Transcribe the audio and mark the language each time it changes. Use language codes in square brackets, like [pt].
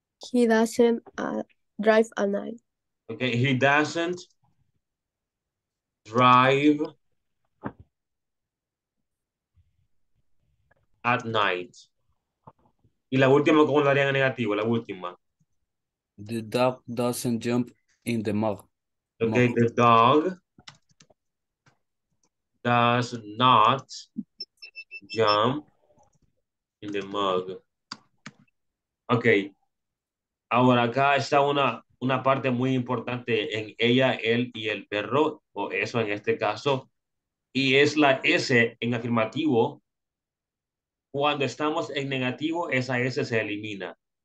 [en] He doesn't drive at night. Okay, he doesn't drive at night. [es] Y la última, ¿cómo lo harían en negativo? La última. [en] The dog doesn't jump in the mud. Okay, the dog does not jump in the mud. Okay. [es] Ahora acá está una parte muy importante en ella, él y el perro, o eso en este caso, y es la S en afirmativo. Cuando estamos en negativo, esa S se elimina.